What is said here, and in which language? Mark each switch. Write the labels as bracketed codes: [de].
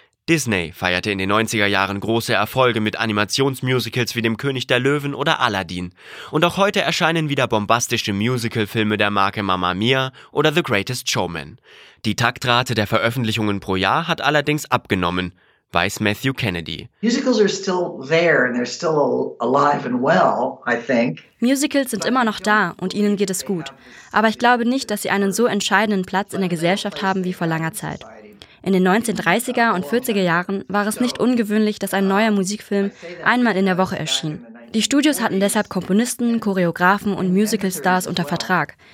[de] Disney feierte in den 90er Jahren große Erfolge mit Animationsmusicals wie dem König der Löwen oder Aladdin. Und auch heute erscheinen wieder bombastische Musicalfilme der Marke Mamma Mia oder The Greatest Showman. Die Taktrate der Veröffentlichungen pro Jahr hat allerdings abgenommen, weiß Matthew Kennedy. [en] Musicals are still there and they're still alive and well, I think. [de] Musicals sind immer noch da und ihnen geht es gut. Aber ich glaube nicht, dass sie einen so entscheidenden Platz in der Gesellschaft haben wie vor langer Zeit. In den 1930er und 40er Jahren war es nicht ungewöhnlich, dass ein neuer Musikfilm einmal in der Woche erschien. Die Studios hatten deshalb Komponisten, Choreografen und Musicalstars unter Vertrag.